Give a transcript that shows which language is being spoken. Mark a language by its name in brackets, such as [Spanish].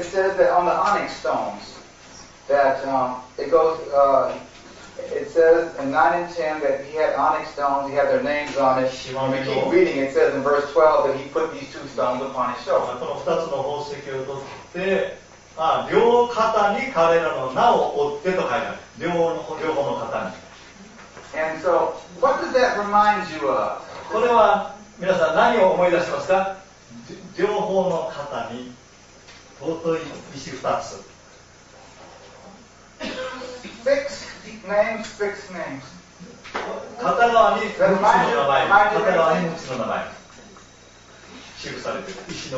[English] It says that on the onyx stones, that it goes, it says in 9 and 10 that he had onyx stones, he had their names on it. If you keep reading, it says in verse 12 that he put these two stones upon his shoulder. [Japanese] この2つの宝石を取って、両肩に彼らの名を負ってと書いてある。両方の肩に。 [English] And so, what does that remind you of? [Japanese] これは皆さん何を思い出しますか？両方の肩に尊い石二つ。 [English] Fixed names, fixed names. [Japanese] 片側に6つの名前、片側に6つの名前記されている石の